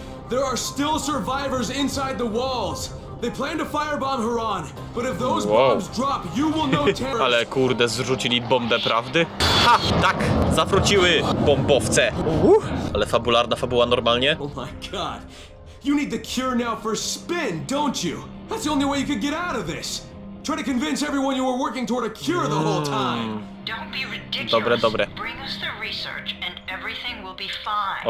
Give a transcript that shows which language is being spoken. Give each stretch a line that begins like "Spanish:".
English: There are still survivors inside the walls. They plan to firebomb Haran, but if those bombs drop, you will know terror.
Polish: Ale kurde, zrzucili bombę prawdy? Ha! Tak! Zawróciły bombowce! Ale fabularna fabuła normalnie?
English: Oh my god! You need the cure now for spin, don't you? That's the only way you could get out of this! Try to convince everyone you were working toward a cure the whole time! Don't be ridiculous.
Polish: Dobre, dobre.
English: Bring us the research and everything will be fine.